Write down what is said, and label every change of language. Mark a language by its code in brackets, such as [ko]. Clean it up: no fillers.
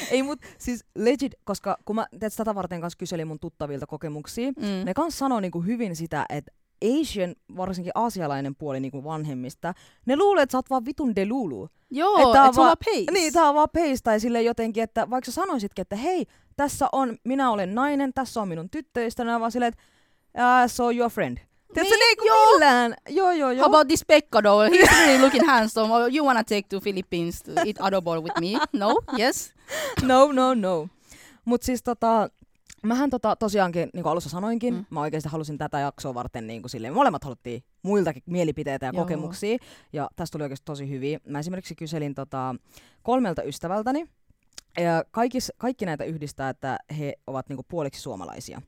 [fi] Ei, mut siis legit, koska kun mä tätä varten kanssa kyselin mun tuttavilta kokemuksia, ne kans sanoo niinku hyvin sitä, että Asian, varsinkin aasialainen puoli niinku vanhemmista, ne luulee, että sä oot vaan vitun delulu. Joo, että et vaan peis. Niin, tää on vaan peis, tai silleen jotenkin, että vaikka sä sanoisitkin, että hei, tässä on, minä olen nainen, tässä on minun tyttöistä, ne on vaan silleen, että [en] so your friend. [fi] Tiedätkö niinku millään? Joo. [en] How about this Pekka though? He's really looking handsome. You wanna take to Philippines to eat adobo with me? No? Yes? No. [fi] Mut siis mähän tosiaankin, niin kuin alussa sanoinkin, mä oikeasti halusin tätä jaksoa varten niin kuin silleen. Molemmat haluttiin muiltakin mielipiteitä ja kokemuksia. Ja tästä tuli oikeasti tosi hyviä. Mä esimerkiksi kyselin kolmelta ystävältäni. Ja kaikki näitä yhdistää, että he ovat niin kuin puoliksi suomalaisia.